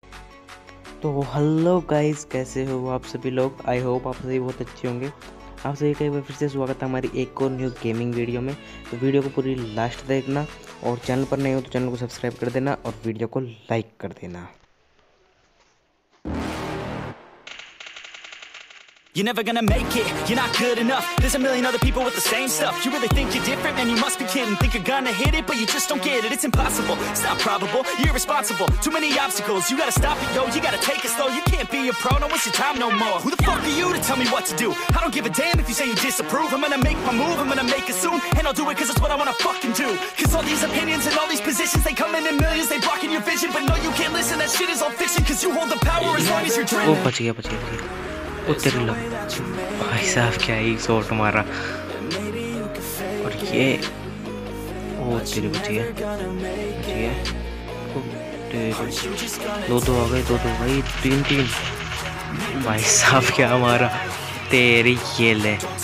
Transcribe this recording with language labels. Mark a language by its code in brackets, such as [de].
[hi] तो hello guys, कैसे हो आप सभी लोग। आई होप आप सभी बहुत अच्छे होंगे। आप सभी का एक बार फिर से स्वागत है हमारी एक और न्यू गेमिंग वीडियो में। तो वीडियो को पूरी लास्ट देखना, और चैनल पर नए हो तो चैनल को सब्सक्राइब कर देना और वीडियो को लाइक कर देना। [en] You're never gonna make it, you're not good enough. There's a million other people with the same stuff. You really think you're different, man, you must be kidding. Think you're gonna hit it, but you just don't get it. It's impossible, it's not probable, you're irresponsible. Too many obstacles, you gotta stop it, yo. You gotta take it slow, you can't be a pro. No, waste your time no more. Who the fuck are you to tell me what to do? I don't give a damn if you say you disapprove. I'm gonna make my move, I'm gonna make it soon. And I'll do it cause it's what I wanna fucking do. Cause all these opinions and all these positions, they come in millions, they blocking your vision. But no, you can't listen, that shit is all fiction. Cause you hold the power as long as you're dreaming. Oh, but yeah, but yeah, but yeah. [hi] उतर लो भाई साहब, क्या ही shot मारा। और ये ओ तेरी बची है, बची है। दो दो आ गए, दो दो भाई, तीन तीन। भाई साहब क्या मारा, तेरी ये ले।